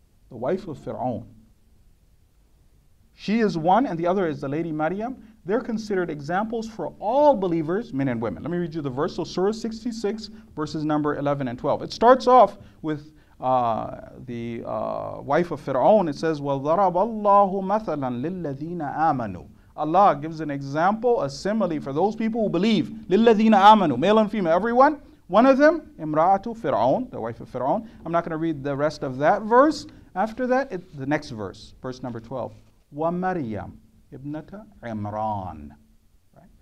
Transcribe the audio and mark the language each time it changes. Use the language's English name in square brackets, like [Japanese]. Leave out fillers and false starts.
[English] The wife of Fir'aun. She is one, and the other is the Lady Maryam. They're considered examples for all believers, men and women. Let me read you the verse. So Surah 66, verses number 11 and 12. It starts off with the wife of Fir'aun. It says, [Arabic] وَضَرَبَ اللَّهُ مَثَلًا لِلَّذِينَ آمَنُوا. [English] Allah gives an example, a simile for those people who believe. [Arabic] لِلَّذِينَ آمَنُوا. [English] Male and female, everyone. One of them, إِمْرَأَةُ Fir'aun, the wife of Fir'aun. I'm not going to read the rest of that verse. After that, the next verse, verse number 12. [Arabic] وَمَرْيَمْ إِبْنَةَ عِمْرَان. [English] Right?